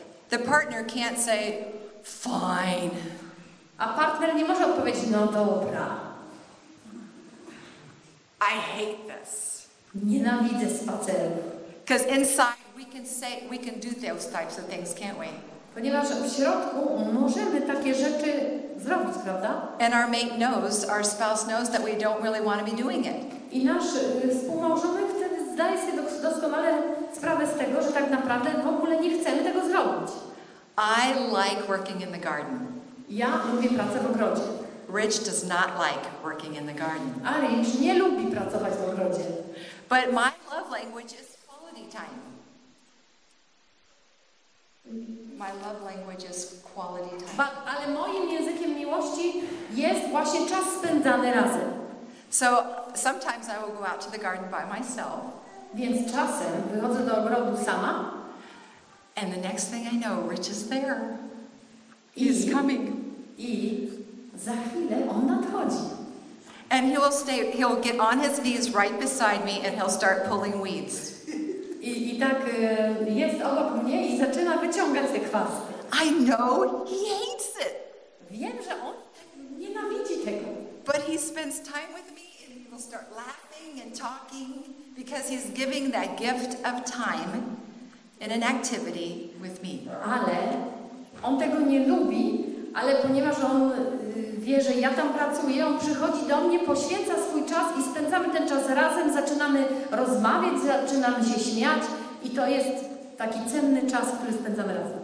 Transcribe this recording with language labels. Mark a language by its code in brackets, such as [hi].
[en] The partner can't say, fine. [pl] A partner nie może odpowiedzieć, no dobra. [en] I hate this. [pl] Nienawidzę spacerów. [en] Because inside, we can do those types of things, can't we? [pl] Ponieważ w środku możemy takie rzeczy zrobić, prawda? [en] And our mate knows, our spouse knows that we don't really want to be doing it. [pl] I nasz współmałżonek wtedy zdaje sobie doskonale sprawę z tego, że tak naprawdę w ogóle nie chcemy tego zrobić. [en] I like working in the garden. [pl] Ja lubię pracę w ogrodzie. [en] Rich does not like working in the garden. [pl] A Rich nie lubi pracować w ogrodzie. [en] But my love language is quality time. My love language is quality time. [pl] Ale moim językiem miłości jest właśnie czas spędzany razem. [en] So sometimes I will go out to the garden by myself. [pl] Więc czasem wychodzę do ogrodu sama. [en] And the next thing I know, Rich is there. He's coming. [pl] I za chwilę on nadchodzi. [en] And he will stay, he'll get on his knees right beside me and he'll start pulling weeds. [pl] I tak jest obok mnie i zaczyna wyciągać te kwasty. [en] I know he hates it. [pl] Wiem, że on nienawidzi tego. [en] But he spends time with me and he will start laughing and talking because he's giving that gift of time in an activity with me. [pl] Ale on tego nie lubi, ale ponieważ on wie, że ja tam pracuję, on przychodzi do mnie, poświęca swój czas i spędzamy ten czas razem, zaczynamy rozmawiać, zaczynamy się śmiać i to jest taki cenny czas, który spędzamy razem.